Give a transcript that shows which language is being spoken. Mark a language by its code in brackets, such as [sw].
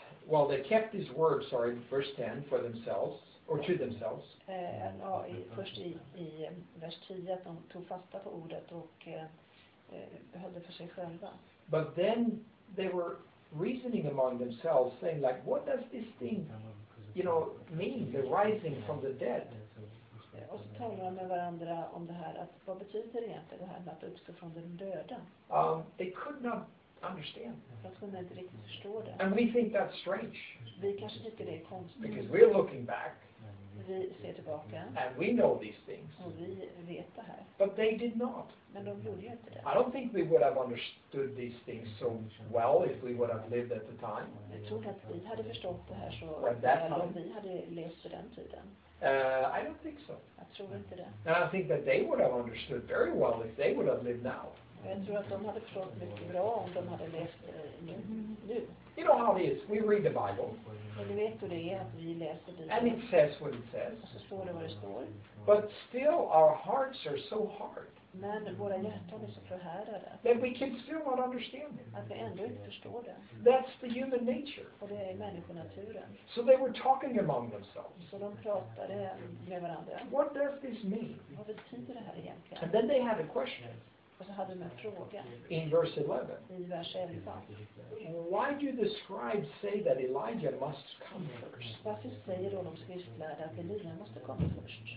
[en] Well, they kept his word, sorry, verse 10, for themselves, or to themselves. [sv] Först i vers 10, att de tog fasta på ordet och höll det för sig själva. [en] But then they were reasoning among themselves, saying like, what does this thing, you know, mean, the rising from the dead? [sv] Och så talar de med varandra om det här, att vad betyder egentligen det här med att uppstå från den döda? [en] They could not understand. [sv] De kunde inte riktigt förstå det. [en] And we think that's strange. [sv] Vi kanske tycker det är konstigt. [en] Because we're looking back. [sv] Vi ser tillbaka. [en] And we know these things. [sv] Och vi vet det här. [en] But they did not. [sv] Men de gjorde ju inte det. [en] I don't think we would have understood these things so well if we would have lived at the time. [sv] Jag tror att vi hade förstått det här så väl om vi hade levt för den tiden. [en] I don't think so. [sv] Jag tror inte det. [en] And I think that they would have understood very well if they would have lived now. [sv] Jag tror att de hade förstått mycket bra om de hade läst nu. [en] You know how it is. We read the Bible. [sv] Men du vet hur det är att vi läser Bibeln. [en] And it says what it says. [sv] Och så står det vad det står. [en] But still our hearts are so hard. [sv] Men våra hjärtan är så förhärdade. [en] That we can still not understand it. [sv] Att vi ändå inte förstår det. [en] That's the human nature. [sv] Och det är människonaturen. [en] So they were talking among themselves. [sv] Så de pratade med varandra. [en] What does this mean? [sv] Vad betyder det här egentligen? [en] And then they had a question. [sv] Och så hade de en fråga. [en] In verse 11. [sv] I vers 11. [en] Why do the scribes say that Elijah must come first? [sv] Varför säger de skriftlärda att Elijah måste komma först?